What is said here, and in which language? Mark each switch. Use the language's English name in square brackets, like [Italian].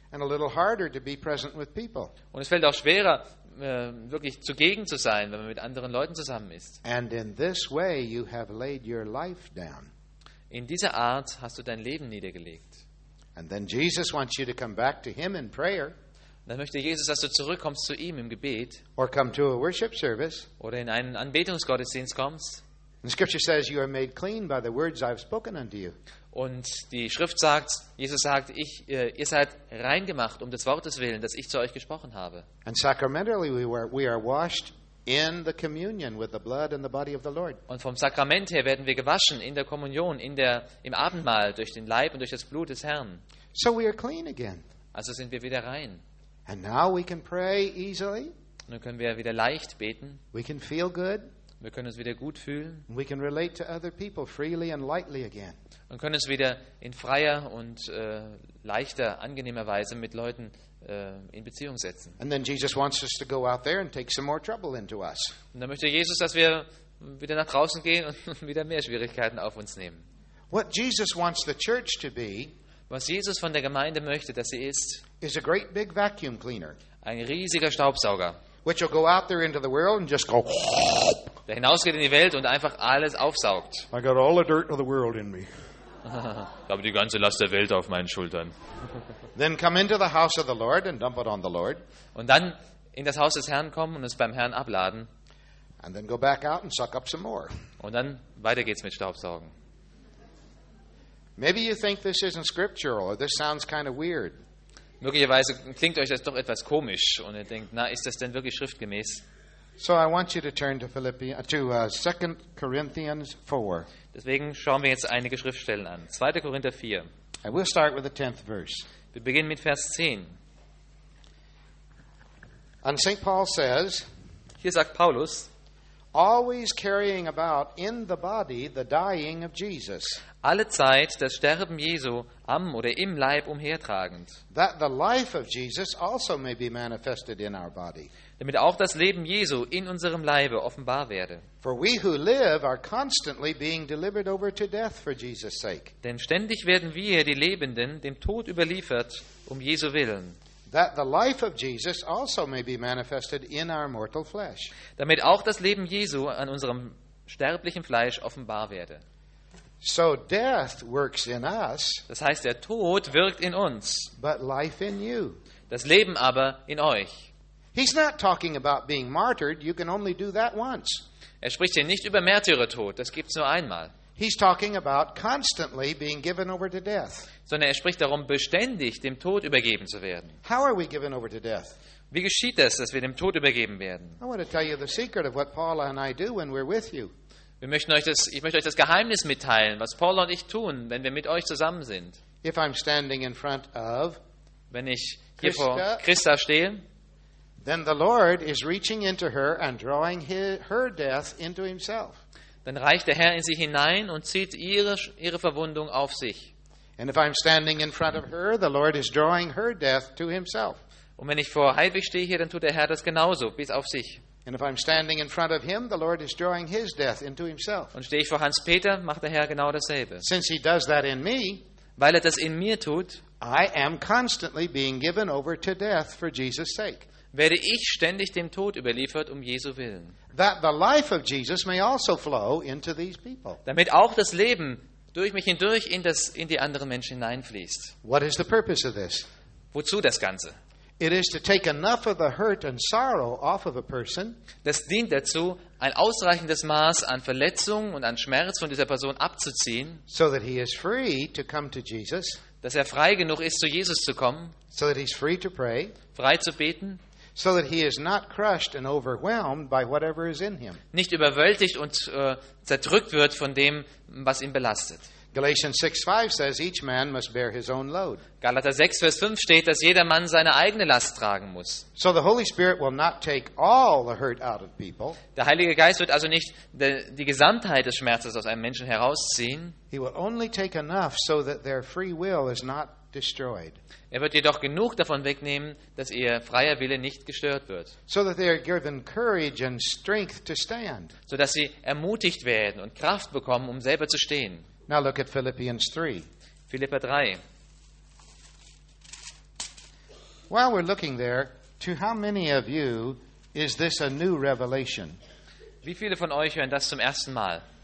[German] Und es fällt auch schwerer, wirklich zugegen zu sein, wenn man mit anderen Leuten zusammen ist. In dieser Art hast du dein Leben niedergelegt. Und dann Jesus will dich zurück zu ihm in Prayer. Dann möchte Jesus, dass du zurückkommst zu ihm im Gebet [English] or come to a worship service, [German] oder in einen Anbetungsgottesdienst kommst. [English] The scripture says you are made clean by the words I've spoken unto you. [German] Und die Schrift sagt, Jesus sagt, ihr seid reingemacht um des Wortes willen, das ich zu euch gesprochen habe. [English] And sacramentally we are washed in the communion with the blood and the body of the Lord. [German] Und vom Sakrament her werden wir gewaschen in der Kommunion, im Abendmahl durch den Leib und durch das Blut des Herrn. [English] So we are clean again. [German] Also sind wir wieder rein. [English] And now we can pray easily. [German] Nun können wir wieder leicht beten. [English] We can feel good. [German] Wir können uns wieder gut fühlen. [English] We can relate to other people freely and lightly again. [German] Und können uns wieder in freier und leichter, angenehmer Weise mit Leuten in Beziehung setzen. [English] And then Jesus wants us to go out there and take some more trouble into us. [German] Und dann möchte Jesus, dass wir wieder nach draußen gehen und wieder mehr Schwierigkeiten auf uns nehmen. [English] What Jesus wants the church to be. [German] Was Jesus von der Gemeinde möchte, dass sie ist, [English] is a great big vacuum cleaner, [German] ein riesiger Staubsauger, [English] which will go out there into the world and just go, [German] der hinausgeht in die Welt und einfach alles aufsaugt. [English] I got all the dirt of the world in me. [German] Ich habe die ganze Last der Welt auf meinen Schultern. [English] Then come into the house of the Lord and dump it on the Lord. [German] Und dann in das Haus des Herrn kommen und es beim Herrn abladen. [English] And then go back out and suck up some more. [German] Und dann weiter geht's mit Staubsaugen. [English] Maybe you think this isn't scriptural or this sounds kind of weird. [German] Möglicherweise klingt euch das doch etwas komisch und ihr denkt, na, ist das denn wirklich schriftgemäß? [English] So I want you to turn to 2 Corinthians 4. [German] Deswegen schauen wir jetzt einige Schriftstellen an. 2. Korinther 4. [English] I will start with the 10th verse. [German] Wir beginnen mit Vers 10. [English] And St. Paul says, [German] hier sagt Paulus, [English] always carrying about in the body the dying of Jesus. [German] Alle Zeit das Sterben Jesu am oder im Leib umhertragend. [English] That the life of Jesus also may be manifested in our body. [German] Damit auch das Leben Jesu in unserem Leibe offenbar werde. [English] For we who live are constantly being delivered over to death for Jesus' sake. [German] Denn ständig werden wir, die Lebenden, dem Tod überliefert um Jesu willen. [English] That the life of Jesus also may be manifested in our mortal flesh. [German] Damit auch das Leben Jesu an unserem sterblichen Fleisch offenbar werde. [English] So death works in us. [German] Das heißt, der Tod wirkt in uns. [English] But life in you. [German] Das Leben aber in euch. [English] He's not talking about being martyred. You can only do that once. [German] Er spricht hier nicht über Märtyrertod. Das gibt's nur einmal. [English] He's talking about constantly being given over to death. [German] Sondern er spricht darum, beständig dem Tod übergeben zu werden. [English] How are we given over to death? [German] Wie geschieht das, dass wir dem Tod übergeben werden? [English] I want to tell you the secret of what Paula and I do when we're with you. [German] Ich möchte euch das Geheimnis mitteilen, was Paula und ich tun, wenn wir mit euch zusammen sind. [English] If I'm standing in front of, [German] wenn ich hier vor Christa stehe, [English] then the Lord is reaching into her and drawing her death into himself. [German] Dann reicht der Herr in sie hinein und zieht ihre Verwundung auf sich. [English] And if I'm standing in front of her, the Lord is drawing her death to himself. [German] Und wenn ich vor Heidwig stehe hier, dann tut der Herr das genauso, bis auf sich. [English] And if I'm standing in front of him, the Lord is drawing his death into himself. [German] Und stehe ich vor Hans-Peter, macht der Herr genau dasselbe. [English] Since he does that in me, [German] weil er das in mir tut, [English] I am constantly being given over to death for Jesus' sake. [German] Werde ich ständig dem Tod überliefert um Jesu willen. [English] That the life of Jesus may also flow into these people. [German] Damit auch das Leben durch mich hindurch in die anderen Menschen hineinfließt. [English] What is the purpose of this? [German] Wozu das Ganze? [English] It is to take enough of the hurt and sorrow off of a person. [German] Das dient dazu, ein ausreichendes Maß an Verletzung und an Schmerz von dieser Person abzuziehen, [English] so that he is free to come to Jesus. [German] Dass er frei genug ist, zu Jesus zu kommen, [English] so that he's free to pray, [German] frei zu beten, [English] so that he is not crushed and overwhelmed by whatever is in him. [German] Nicht überwältigt und zerdrückt wird von dem, was ihn belastet. [English] Galatians 6:5 says each man must bear his own load. [German] Galater 6 Vers 5 steht, dass jeder Mann seine eigene Last tragen muss. [English] So the Holy Spirit will not take all the hurt out of people. [German] Der Heilige Geist wird also nicht die Gesamtheit des Schmerzes aus einem Menschen herausziehen. [English] He will only take enough so that their free will is not destroyed. [German] Er wird jedoch genug davon wegnehmen, dass ihr freier Wille nicht gestört wird. [English] So that they are given courage and strength to stand. [German] So dass sie ermutigt werden und Kraft bekommen, um selber zu stehen. [English] Now look at Philippians 3. [German] Philipper 3. [English] While we're looking there, to how many of you is this a new revelation? [German] Wie viele von euch hören das zum ersten Mal?